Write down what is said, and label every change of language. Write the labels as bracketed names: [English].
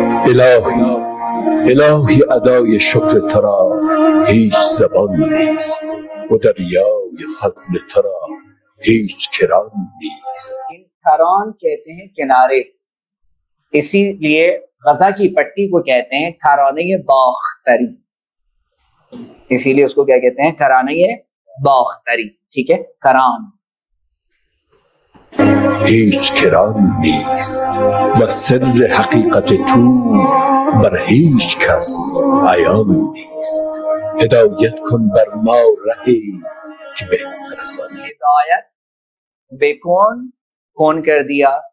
[Persian] الہی الهی ادای شکر ترا هیچ زبان نیست، و دریای فضل ترا هیچ کران نیست. [Urdu] این کران کہتے ہیں کنارے، اسی لیے غزہ کی پٹی کو کہتے ہیں کرانے باختری، اسی لیے اس کو کیا کہتے ہیں؟ کرانے باختری، ٹھیک ہے؟ کران [Persian] هیچ کران نیست، و سر حقیقت تو بر هیچ کس عیان نیست. هدایت کن بر ما رهی که بهتر از آن. هدایت بکن، [Urdu] کن کر دیا،